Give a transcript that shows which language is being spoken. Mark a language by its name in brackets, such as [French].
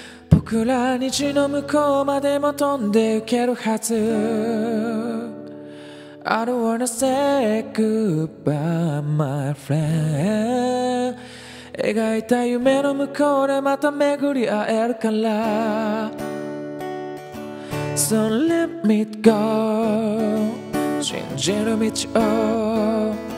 [Japanese] 僕ら虹の向こうまでも飛んでゆけるはず。 [English] I don't wanna say goodbye, my friend. [Japanese] 描いた夢の向こうでまた巡り会えるから。 [English] So let me go, [Japanese] 信じる道を。